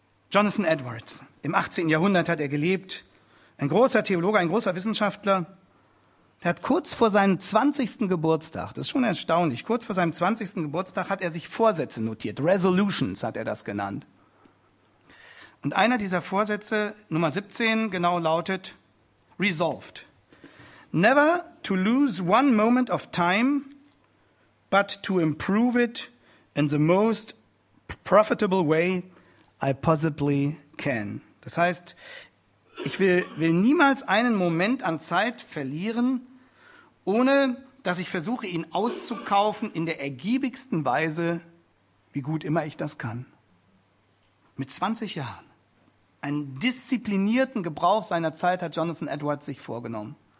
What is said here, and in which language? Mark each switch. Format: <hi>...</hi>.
<de>Jonathan Edwards, im 18. Jahrhundert hat er gelebt, ein großer Theologe, ein großer Wissenschaftler. Er hat kurz vor seinem 20. Geburtstag, das ist schon erstaunlich, kurz vor seinem 20. Geburtstag hat er sich Vorsätze notiert, Resolutions hat er das genannt. Und einer dieser Vorsätze, Nummer 17, genau lautet Resolved.</de> <en>Never to lose one moment of time, but to improve it in the most profitable way I possibly can.</en> <de>Das heißt, ich will niemals einen Moment an Zeit verlieren, ohne dass ich versuche, ihn auszukaufen in der ergiebigsten Weise, wie gut immer ich das kann. Mit 20 Jahren, einen disziplinierten Gebrauch seiner Zeit hat Jonathan Edwards sich vorgenommen.</de>